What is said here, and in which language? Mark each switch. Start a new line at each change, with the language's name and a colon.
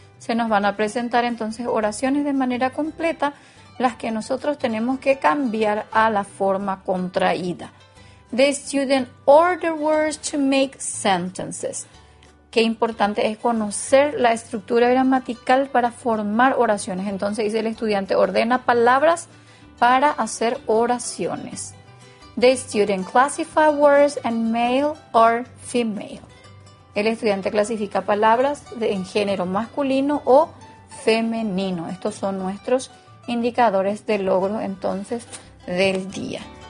Spanish: Se nos van a presentar entonces oraciones de manera completa, las que nosotros tenemos que cambiar a la forma contraída.
English: The student orders words to make sentences.
Spanish: Qué importante es conocer la estructura gramatical para formar oraciones. Entonces dice el estudiante, ordena palabras para hacer oraciones.
English: The student classifies words as male or female.
Spanish: El estudiante clasifica palabras en género masculino o femenino. Estos son nuestros indicadores de logro entonces del día.